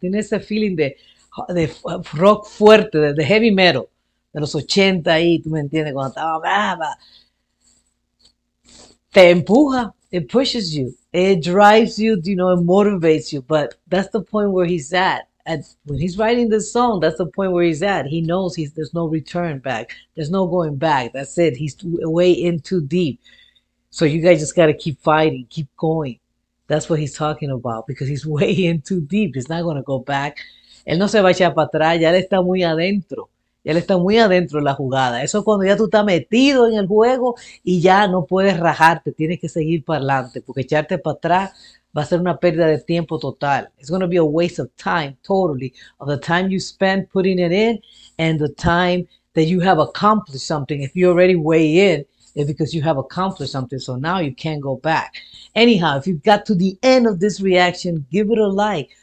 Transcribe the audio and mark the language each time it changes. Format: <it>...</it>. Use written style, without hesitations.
<es>Tiene ese feeling de rock fuerte, de heavy metal, de los 80 ahí, tú me entiendes, cuando estaba brava. Te empuja,</es> <en>it pushes you, it drives you, you know, it motivates you, but that's the point where he's at. And when he's writing this song, that's the point where he's at. He knows there's no return back, there's no going back, that's it, he's way in too deep. So you guys just got to keep fighting, keep going. That's what he's talking about, because he's way in too deep. He's not going to go back.</en> <es>Él no se va a echar para atrás. Ya él está muy adentro. Ya él está muy adentro en la jugada. Eso es cuando ya tú estás metido en el juego y ya no puedes rajarte. Tienes que seguir para adelante, porque echarte para atrás va a ser una pérdida de tiempo total.</es> <en>It's going to be a waste of time, totally, of the time you spend putting it in and the time that you have accomplished something. If you're already way in, it's because you have accomplished something, so now you can't go back. Anyhow, if you got to the end of this reaction, give it a like.</en>